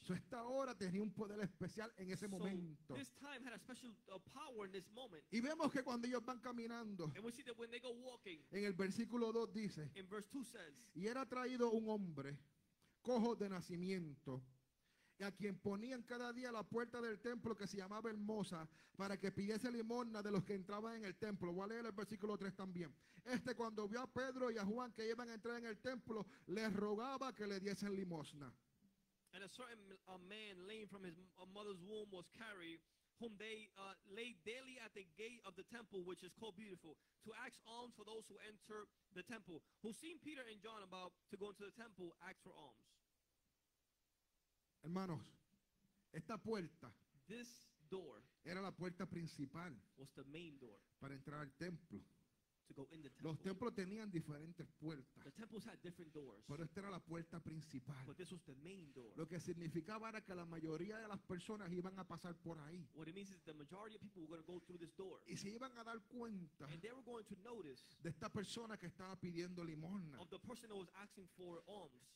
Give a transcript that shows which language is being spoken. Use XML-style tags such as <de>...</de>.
<es>So esta hora tenía un poder especial en ese momento.</es> <en>This time had a special power in this moment.</en> <es>Y vemos que cuando ellos van caminando.</es> <en>And we see that when they go walking.</en> <es>En el versículo 2 dice.</es> <en>In verse 2 says.</en> <es>Y era traído un hombre cojo de nacimiento, a quien ponían cada día la puerta del templo que se llamaba Hermosa, para que pidiese limosna de los que entraban en el templo. Voy a leer el versículo 3 también. Este, cuando vio a Pedro y a Juan que iban a entrar en el templo, les rogaba que le diesen limosna.</es> <en>And a certain man lame from his mother's womb was carried, whom they laid daily at the gate of the temple, which is called Beautiful, to ask alms for those who enter the temple. Who seen Peter and John about to go into the temple, asked for alms.</en> <es>Hermanos, esta puerta,</es> <en>this door,</en> <es>era la puerta principal,</es> <en>was the main door,</en> <es>para entrar al templo.</es> <en>To go in the temple.</en> <es>Los templos tenían diferentes puertas.</es> <en>The temples had different doors.</en> <es>Pero esta era la puerta principal.</es> <en>But this was the main door.</en> <es>Lo que significaba era que la mayoría de las personas iban a pasar por ahí.</es> <en>What it means is the majority of people were going to go through this door.</en> <es>Y se iban a dar cuenta.</es> <en>And they were going to notice.</en> <es>De esta persona que estaba pidiendo limosna.</es> <en>Of the person that was asking for alms.</en>